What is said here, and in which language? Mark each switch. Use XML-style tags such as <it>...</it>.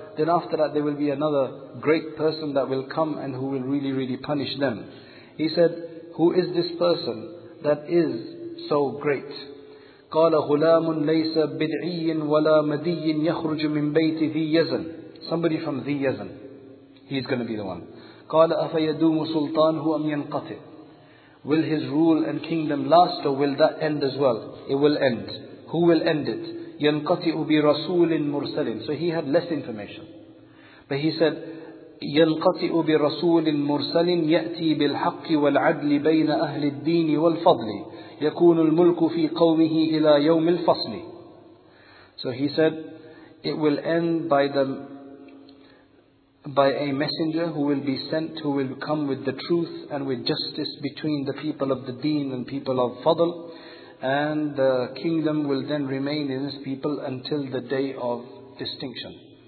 <en>Then after that there will be another great person that will come and who will really, really punish them. He said, who is this person that is so great?</en> <ar>قَالَ غُلَامٌ لَيْسَ بِدْعِيٍ وَلَا مَدِيٍ يَخْرُجُ مِنْ بَيْتِ ذِي يَزَنٍ.</ar> <en>Somebody from ذِي يَزَنٍ. He's going to be the one.</en> <ar>قَالَ أَفَيَدُومُ سُلْطَانُهُ أَمْ يَنْقَطِعُ.</ar> <en>Will his rule and kingdom last, or will that end as well? It will end. Who will end it?</en> <ar>يَنْقَطِعُ بِرَسُولٍ مُرْسَلٍ.</ar> <en>So he had less information. But he said,</en> <ar>يَنْقَطِعُ بِرَسُولٍ مُرْسَلٍ يَأْتِي بِالْحَقِّ وَالْعَدْلِ بَيْنَ أَهْلِ الدِّينِ وَالْفَضْلِ يَكُونُ الْمُلْكُ فِي قَوْمِهِ إِلَى يَوْمِ الْفَصْلِ.</ar> <en>So he said, it will end by a messenger who will be sent, who will come with the truth and with justice between the people of the deen and people of fadl, and the kingdom will then remain in his people until the day of distinction.</en>